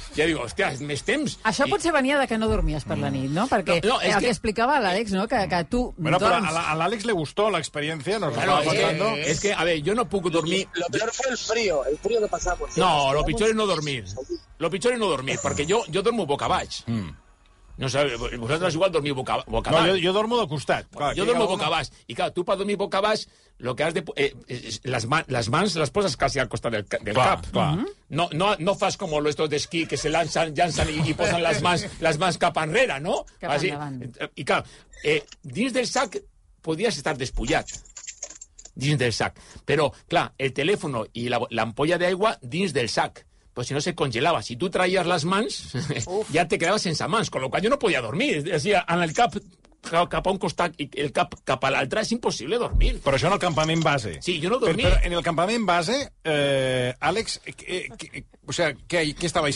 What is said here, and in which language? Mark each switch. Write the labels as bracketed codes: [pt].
[ca] Ja digo, hòstia, més temps. Això i... potser venia de que no dormies per la nit, no? Perquè no, el que explicava l'Àlex, no? Que tu... Bueno, però a l'Àlex [es] le gustó [ca] l'experiència, no? [es] Claro, es que, a ver, yo [ca] no puc dormir... [es] Lo peor fue el frío que pasamos. [ca] No, lo pitjor es no dormir. [es] Porque yo duermo boca abaix. [ca] No sé, vosaltres igual dormiu boca baix. No, jo dormo de costat. Clar, jo dormo boca baix. I clar, tu per dormir boca baix, lo que has de... les mans les poses quasi al costat del clar, cap. No fas com los estos d'esquí que [es] se lanzan, [ca] llancen i posen les mans cap enrere, no? Cap endavant. I clar, dins del sac podies estar despullat. Dins del sac. Però, clar, el telèfon i l'ampolla d'aigua dins del sac. [es] Pues si no se congelaba, si tú traías las mans, ya te quedabas sin mans, con lo cual yo no podía dormir. [ca] Decía, en el cap, cap a un costat i el cap cap a l'altre, és impossible dormir. Però això en el campament base. Sí, jo no dormia. Però en el campament base, Àlex, què estabais?